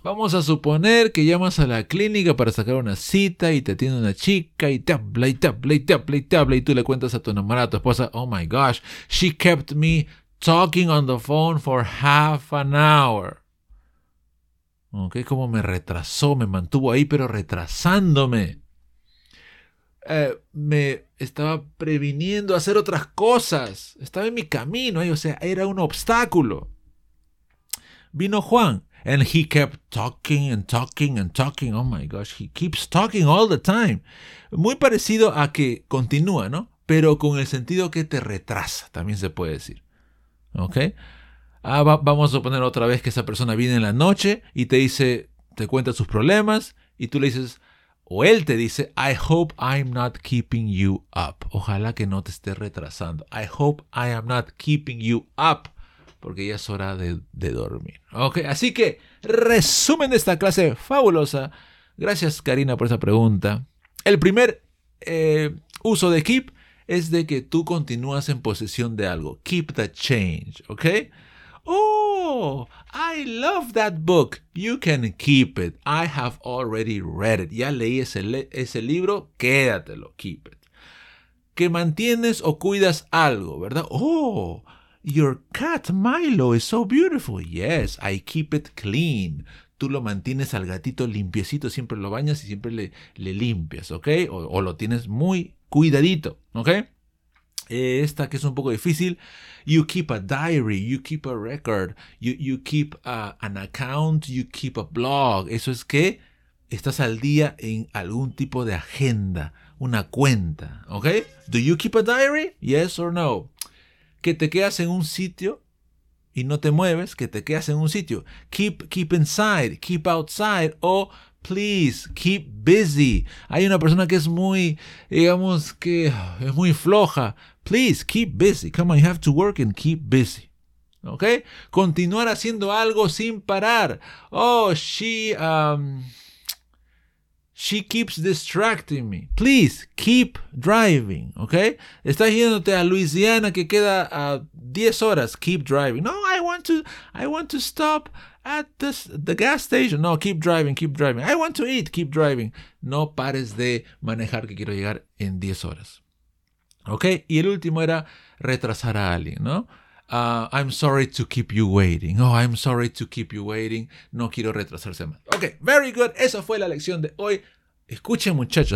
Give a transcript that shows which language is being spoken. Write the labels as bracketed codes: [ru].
[es] Vamos a suponer que llamas a la clínica para sacar una cita y te atiende una chica y te habla y te habla y te habla y te habla y tú le cuentas a tu enamorada, a tu esposa, [en] oh my gosh, she kept me talking on the phone for half an hour. [es] Ok, como me retrasó, me mantuvo ahí, pero retrasándome. Me estaba previniendo hacer otras cosas. Estaba en mi camino, o sea, era un obstáculo. Vino Juan, [en] and he kept talking and talking and talking. Oh my gosh, he keeps talking all the time. [es] Muy parecido a que continúa, ¿no? Pero con el sentido que te retrasa, también se puede decir. Ok. Vamos a suponer otra vez que esa persona viene en la noche y te dice, te cuenta sus problemas y tú le dices, o él te dice, [en] I hope I'm not keeping you up. [es] Ojalá que no te esté retrasando. [en] I hope I am not keeping you up. [es] Porque ya es hora de dormir. Ok, así que resumen de esta clase fabulosa. Gracias, Karina, por esa pregunta. El primer uso de keep es de que tú continúas en posesión de algo. [en] Keep the change, ok. Oh, I love that book. You can keep it. I have already read it. [es] Ya leí ese libro. Quédatelo. [en] Keep it. [es] Que mantienes o cuidas algo, ¿verdad? [en] Oh, your cat Milo is so beautiful. Yes, I keep it clean. [es] Tú lo mantienes al gatito limpiecito. Siempre lo bañas y siempre le limpias, ¿ok? O lo tienes muy cuidadito, ¿ok? Esta que es un poco difícil. [en] You keep a diary, you keep a record, you keep an account, you keep a blog. [es] Eso es que estás al día en algún tipo de agenda, una cuenta, ¿ok? [en] Do you keep a diary? Yes or no. [es] Que te quedas en un sitio y no te mueves, que te quedas en un sitio. [en] Keep inside, keep outside, o please keep busy. [es] Hay una persona que es muy, digamos que es muy floja. [en] Please keep busy. Come on, you have to work and keep busy. [es] ¿Ok? Continuar haciendo algo sin parar. [en] Oh, she keeps distracting me. Please keep driving. [es] ¿Ok? Estás yéndote a Louisiana que queda a 10 horas. [en] Keep driving. No, I want to stop at the gas station. No, keep driving, keep driving. I want to eat. Keep driving. [es] No pares de manejar que quiero llegar en 10 horas. ¿Ok? Y el último era retrasar a alguien, ¿no? [en] I'm sorry to keep you waiting. Oh, I'm sorry to keep you waiting. [es] No quiero retrasarse más. [en] Ok, very good. [es] Esa fue la lección de hoy. Escuchen, muchachos.